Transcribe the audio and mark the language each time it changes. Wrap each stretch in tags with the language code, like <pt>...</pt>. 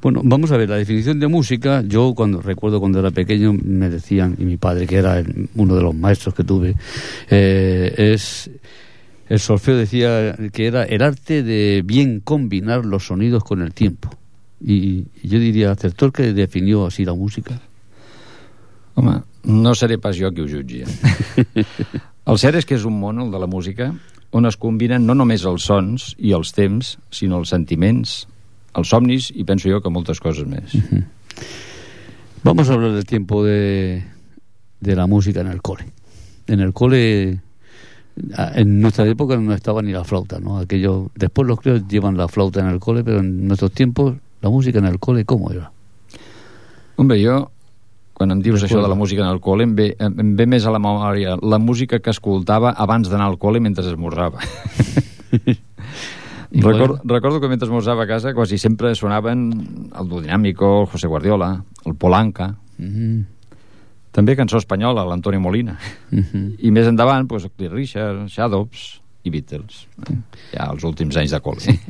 <es>Bueno, vamos a ver, la definición de música, yo cuando recuerdo cuando era pequeño me decían, y mi padre que era uno de los maestros que tuve, es el solfeo decía que era el arte de bien combinar los sonidos con el tiempo. Y yo diría, ¿acertó el que definió así la música?</es> <ca>Home, no seré pas jo qui ho jutgi. El cert és que és un món, el de la música, on es combinen no només els sons i els temps, sinó els sentiments, els somnis i penso jo que moltes coses més. Uh-huh.</ca> <es>Vamos a hablar del tiempo de la música en el cole. En el cole, en nuestra época no estaba ni la flauta, ¿no? Aquello, después los críos llevan la flauta en el cole, pero en nuestros tiempos, la música en el cole, ¿cómo era? Hombre, yo</es> <ca>quan em dius això de la música en el col·le, em ve més a la memòria la música que escoltava abans d'anar al col·le mentre esmorzava. Recordo que mentre esmorzava a casa quasi sempre sonaven el Dinàmico, el José Guardiola, el Polanca, també cançó espanyola, l'Antoni Molina, i més endavant, doncs, Cliff Richard, Shadows i Beatles, ja els últims anys de col·le.</ca>